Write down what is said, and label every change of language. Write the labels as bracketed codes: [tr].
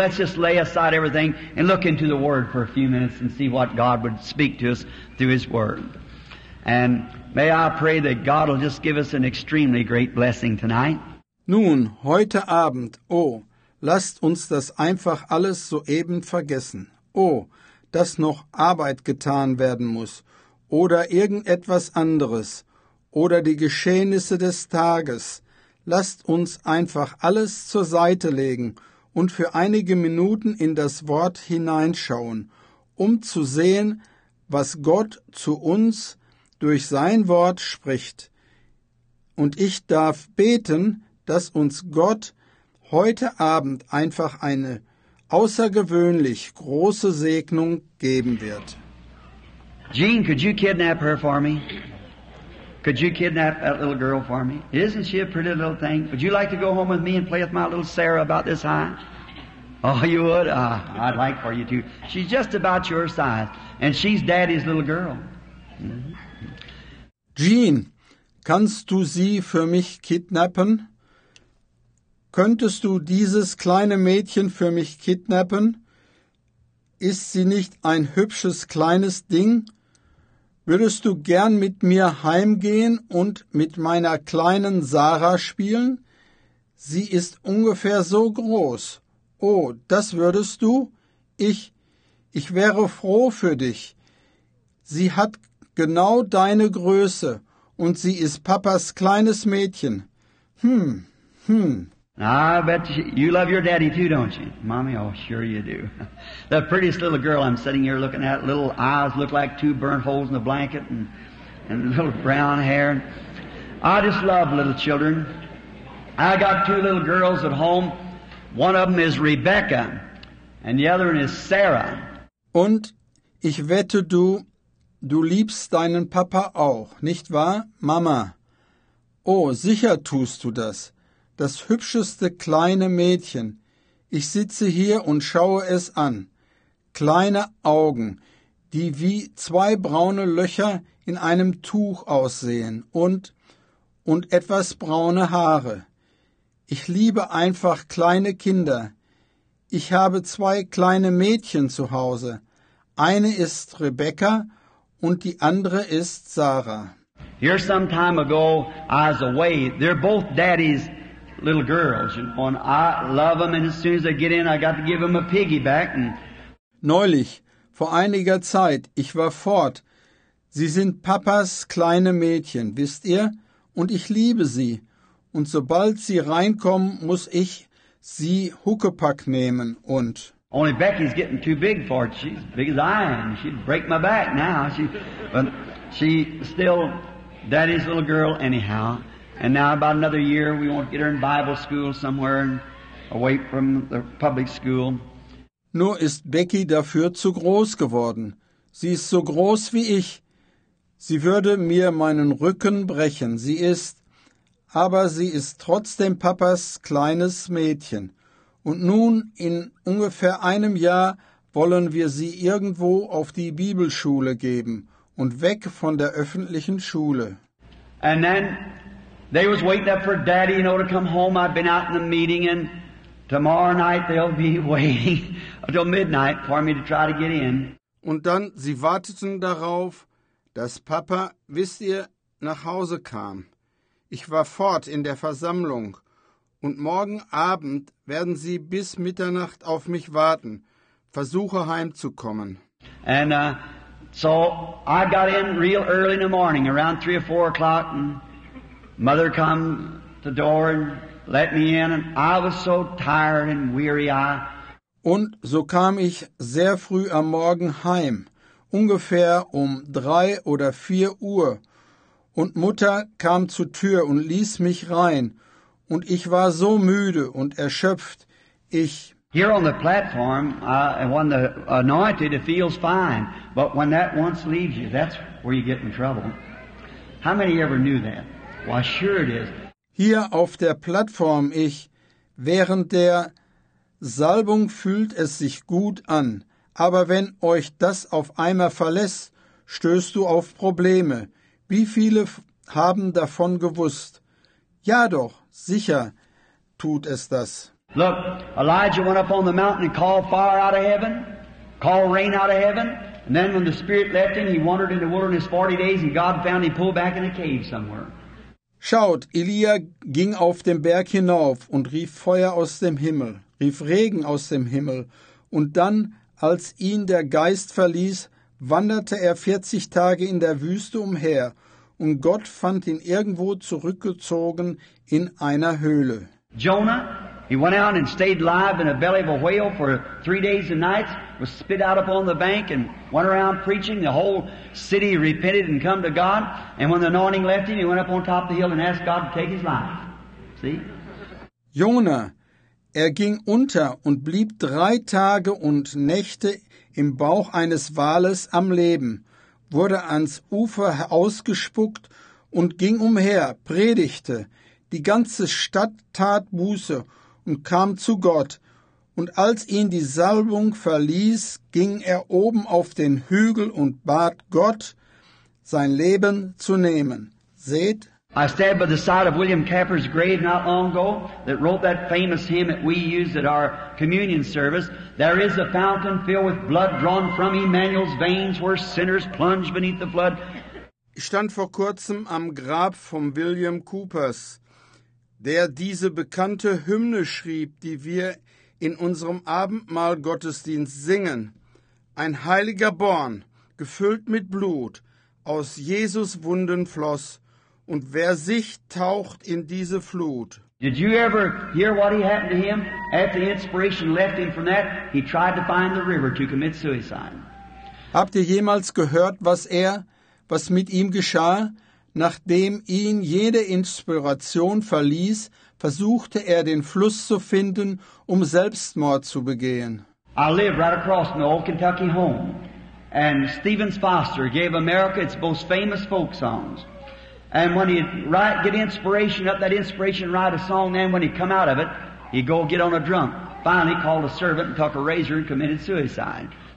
[en] Let's just lay aside everything and look into the Word for a few minutes and see what God would speak to us through His Word. And may I pray that God will just give us an extremely great blessing tonight. [de] Nun, heute Abend, lasst uns das einfach alles soeben vergessen. Dass noch Arbeit getan werden muss oder irgendetwas anderes oder die Geschehnisse des Tages. Lasst uns einfach alles zur Seite legen und für einige Minuten in das Wort hineinschauen, um zu sehen, was Gott zu uns durch sein Wort spricht. Und ich darf beten, dass uns Gott heute Abend einfach eine außergewöhnlich große Segnung geben wird. [en] Jean, could you kidnap her for me? Could you kidnap that little girl for me? Isn't she a pretty little thing? Would you like to go home with me and play with my little Sarah about this high? Oh, you would? I'd like for you to. She's just about your size, and she's Daddy's little girl. Mm-hmm. [de] Jean, kannst du sie für mich kidnappen? Könntest du dieses kleine Mädchen für mich kidnappen? Ist sie nicht ein hübsches kleines Ding? Würdest du gern mit mir heimgehen und mit meiner kleinen Sarah spielen? Sie ist ungefähr so groß. Das würdest du? Ich wäre froh für dich. Sie hat genau deine Größe und sie ist Papas kleines Mädchen. [en] I bet you love your daddy too, don't you? Mommy, oh, sure you do. The prettiest little girl I'm sitting here looking at, little eyes look like two burnt holes in a blanket and little brown hair. I just love little children. I got two little girls at home. One of them is Rebecca and the other one is Sarah. [de] Und Ich wette, du liebst deinen Papa auch, nicht wahr, Mama? Oh, sicher tust du das. Das hübscheste kleine Mädchen. Ich sitze hier und schaue es an. Kleine Augen, die wie zwei braune Löcher in einem Tuch aussehen und etwas braune Haare. Ich liebe einfach kleine Kinder. Ich habe zwei kleine Mädchen zu Hause. Eine ist Rebecca und die andere ist Sarah. [en] Here some time ago, I was away. They're both daddy's little girls. And I love them, and as soon as they get in, I got to give them a piggyback. [de] Neulich, vor einiger Zeit, ich war fort. Sie sind Papas kleine Mädchen, wisst ihr? Und ich liebe sie. Und sobald sie reinkommen, muss ich sie Huckepack nehmen und... [en] Only Becky's getting too big for it. She's big as I am. She'd break my back now. But she's still daddy's little girl anyhow. And now about another year, we want to get her in Bible school somewhere and away from the public school. [de] Nur ist Becky dafür zu groß geworden. Sie ist so groß wie ich. Sie würde mir meinen Rücken brechen. Aber sie ist trotzdem Papas kleines Mädchen. Und nun, in ungefähr einem Jahr, wollen wir sie irgendwo auf die Bibelschule geben und weg von der öffentlichen Schule. [en] And then they was waiting up for Daddy, you know, to come home. I've been out in the meeting, and tomorrow night they'll be waiting until midnight for me to try to get in. [de] Und dann, sie warteten darauf, dass Papa, wisst ihr, nach Hause kam. Ich war fort in der Versammlung. Und morgen Abend werden sie bis Mitternacht auf mich warten, versuche heimzukommen. [en] And so I got in real early in the morning, around 3 or 4 o'clock, and mother come to the door and let me in, and I was so tired and weary. [de] Und so kam ich sehr früh am Morgen heim, ungefähr um 3 oder 4 Uhr, und Mutter kam zur Tür und ließ mich rein. Und ich war so müde und erschöpft. [en] Here on the platform, when the anointed, it feels fine. But when that once leaves you, that's where you get in trouble. How many ever knew that? Well, sure it is. [de] Hier auf der Plattform, während der Salbung fühlt es sich gut an. Aber wenn euch das auf einmal verlässt, stößt du auf Probleme. Wie viele haben davon gewusst? Ja doch. Sicher tut es das. [en] Look, Elijah went up on the mountain and called fire out of heaven, called rain out of heaven, and then when the Spirit left him, he wandered in the wilderness 40 days, and God found him pulled back in a cave somewhere. [de] Schaut, Elia ging auf den Berg hinauf und rief Feuer aus dem Himmel, rief Regen aus dem Himmel, und dann, als ihn der Geist verließ, wanderte er 40 Tage in der Wüste umher, und Gott fand ihn irgendwo zurückgezogen in einer Höhle. [en] Jonah, he went out and stayed live in the belly of a whale for 3 days and nights, was spit out upon the bank and went around preaching. The whole city repented and come to God. And when the anointing left him, he went up on top of the hill and asked God to take his life. See? [de] Jonah, ging unter und blieb 3 Tage und Nächte im Bauch eines Wales am Leben, wurde ans Ufer ausgespuckt und ging umher, predigte. Die ganze Stadt tat Buße und kam zu Gott. Und als ihn die Salbung verließ, ging er oben auf den Hügel und bat Gott, sein Leben zu nehmen. Seht? [en] I stand by the side of William Capper's grave not long ago that wrote that famous hymn that we used at our communion service. There is a fountain filled with blood drawn from Emmanuel's veins where sinners plunge beneath the flood. [de] Ich stand vor kurzem am Grab von William Coopers, der diese bekannte Hymne schrieb, die wir in unserem Abendmahlgottesdienst singen. Ein heiliger Born, gefüllt mit Blut, aus Jesus Wunden floss, und wer sich taucht in diese Flut. [en] Did you ever hear what happened to him? After inspiration left him from that, he tried to find the river to commit suicide. [de] Habt ihr jemals gehört, was mit ihm geschah? Nachdem ihn jede Inspiration verließ, versuchte er, den Fluss zu finden, um Selbstmord zu begehen. [en] I live right across from the old Kentucky home. And Stephen Foster gave America its most famous folk songs. And when he'd write, get inspiration up, that inspiration, write a song, then when he'd come out of it, he'd go get on a drunk. Finally called a servant and took a razor and committed suicide.